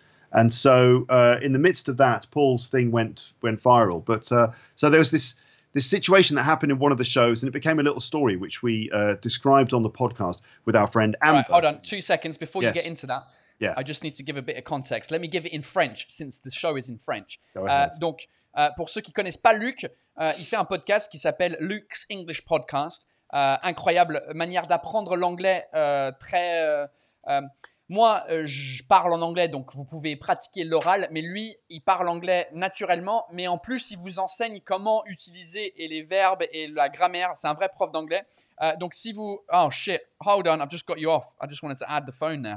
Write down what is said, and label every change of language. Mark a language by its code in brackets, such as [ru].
[en] And so in the midst of that, Paul's thing went viral. But so there was this situation that happened in one of the shows, and it became a little story, which we described on the podcast with our friend Amber. Right, hold on 2 seconds before you get into that. Yeah. I just need to give a bit of context. Let me give it in French since the show is in French. [fr] Donc, pour ceux qui ne connaissent pas Luc, il fait un podcast qui s'appelle Luke's English Podcast. Incroyable manière d'apprendre l'anglais très... Moi, je parle en anglais, donc vous pouvez pratiquer l'oral, mais lui, il parle anglais naturellement, mais en plus, il vous enseigne comment utiliser et les verbes et la grammaire. C'est un vrai prof d'anglais. Donc si vous... [en] Oh shit, hold on, I've just got you off. I just wanted to add the phone there.